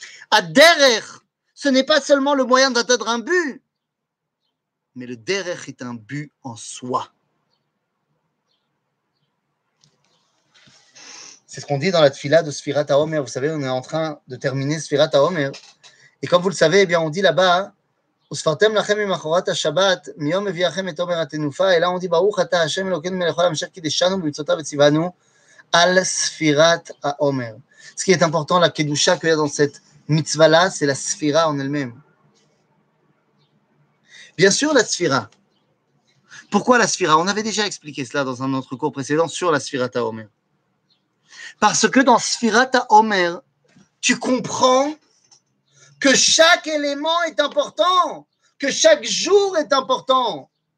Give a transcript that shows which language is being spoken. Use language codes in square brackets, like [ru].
[fr] À derer, ce n'est pas seulement le moyen d'atteindre un but, mais le derer est un but en soi. C'est ce qu'on dit dans la tfila de Sfirat HaOmer. Vous savez, on est en train de terminer Sfirat HaOmer. Et comme vous le savez, eh bien, on dit là-bas, [he] וספרתם לכם ממחרת השבת מיום מביאכם את עומר התנופה אלא עומדי ברוך אתה השם אלוקינו מלך העולם אשר קידשנו במצוותיו וציוונו על ספירת העומר. [fr] Ce qui est important, la kedusha qu'il y a dans cette mitzvah là, c'est la sphira en elle-même. Bien sûr, la sphira. Pourquoi la sphira? On avait déjà expliqué cela dans un autre cours précédent sur la sphira ta omer. Parce que dans sphira ta omer, tu comprends que chaque élément est important, que chaque jour est important.